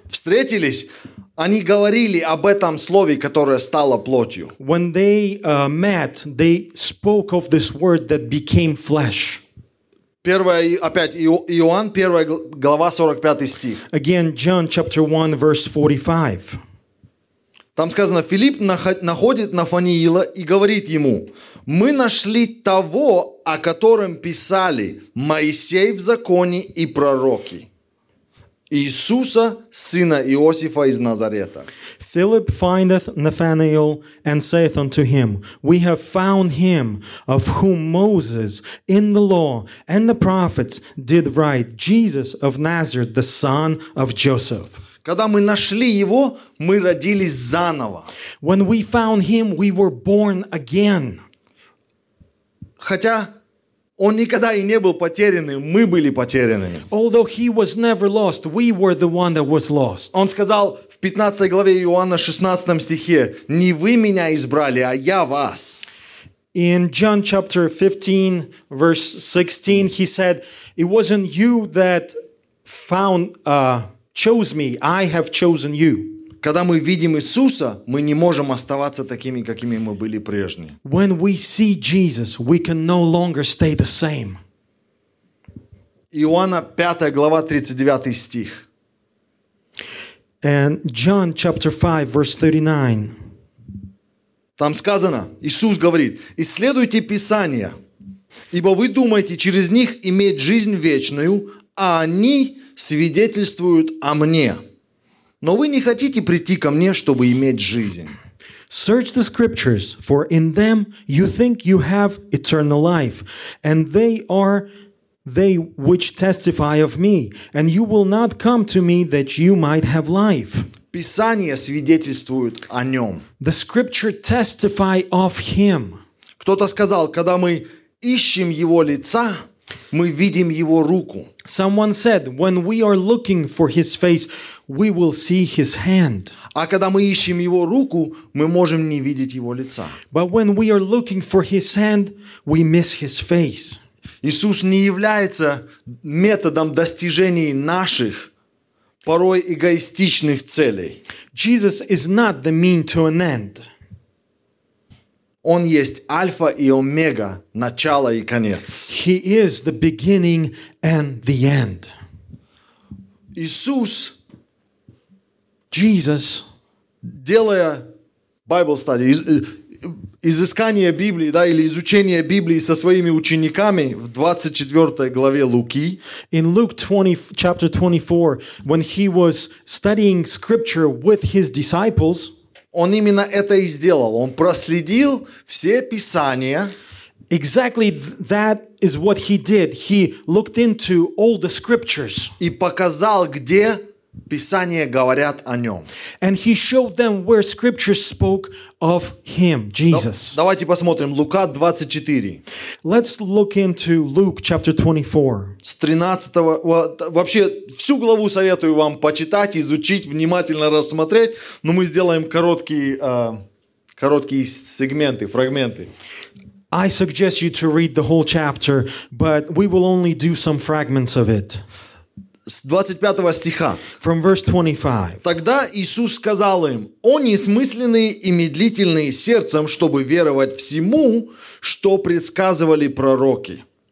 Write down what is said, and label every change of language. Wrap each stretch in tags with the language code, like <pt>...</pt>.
<ru>встретились, они говорили об этом слове, которое стало плотью.</ru> <en>When they met, they spoke of this word that became flesh.</en> <ru>Первая опять Иоанн, первая глава, 45 стих.</ru> <en>Again, John chapter 1, verse 45.</en> <ru>Там сказано, Филипп находит Нафаниила и говорит ему: «Мы нашли того, о котором писали Моисей в законе и пророки, Иисуса, сына Иосифа из Назарета».</ru> <en>Philip findeth Nathanael and saith unto him, We have found him of whom Moses in the law and the prophets did write, Jesus of Nazareth, the son of Joseph.</en> <ru>Когда мы нашли его, мы родились заново.</ru> <en>When we found him, we were born again.</en> <ru>Хотя он никогда и не был потерянным, мы были потерянными.</ru> <en>Although he was never lost, we were the one that was lost.</en> <ru>Он сказал в 15 главе Иоанна 16 стихе: «Не вы меня избрали, а я вас».</ru> <en>In John chapter 15, verse 16, he said, «It wasn't you that found, chose me, I have chosen you».</en> <ru>Когда мы видим Иисуса, мы не можем оставаться такими, какими мы были прежде.</ru> <en>When we see Jesus, we can no longer stay the same.</en> <ru>Иоанна 5, глава 39 стих.</ru> <en>And John chapter 5, verse 39.</en> <ru>Там сказано, Иисус говорит, «Исследуйте Писания, ибо вы думаете через них иметь жизнь вечную, а они свидетельствуют о Мне». Но вы не хотите прийти ко мне, чтобы иметь жизнь.</ru> <en>Search the scriptures, for in them you think you have eternal life, and they are they which testify of me, and you will not come to me that you might have life.</en> <ru>Писание свидетельствует о нем.</ru> <en>The scripture testify of him.</en> <ru>Кто-то сказал, когда мы ищем его лица, мы видим его руку.</ru> <en>Someone said, when we are looking for his face, we will see his hand.</en> <ru>А когда мы ищем его руку, мы можем не видеть его лица.</ru> <en>But when we are looking for his hand, we miss his face.</en> <ru>Иисус не является методом достижения наших, порой эгоистичных целей.</ru> <en>Jesus is not the mean to an end.</en> <ru>Он есть альфа и омега, начало и конец.</ru> <en>He is the beginning and the end.</en> <ru>Иисус,</ru> <en>Jesus,</en> <ru>делая</ru> <en>Bible study,</en> <ru>изыскание Библии, да, или изучение Библии со своими учениками в 24 главе Луки.</ru> <en>In Luke 20, chapter 24, when he was studying scripture with his disciples,</en> <ru>он именно это и сделал. Он проследил все Писания.</ru> <en>Exactly that is what he did. He looked into all the scriptures.</en> <ru>И показал, где Писания говорят о нем.</ru> <en>And he showed them where scriptures spoke of him, Jesus.</en> <ru>Давайте посмотрим Лука 24.</ru> <en>Let's look into Luke chapter 24.</en> <ru>С 13-го, вообще всю главу советую вам почитать, изучить, внимательно рассмотреть, но мы сделаем короткие сегменты, фрагменты.</ru> <en>I suggest you to read the whole chapter, but we will only do some fragments of it.</en> <ru>С 25 стиха.</ru> <en>From verse 25.</en> <ru>Тогда Иисус сказал им: «О несмысленные и медлительные сердцем, чтобы веровать всему, что предсказывали пророки».</ru>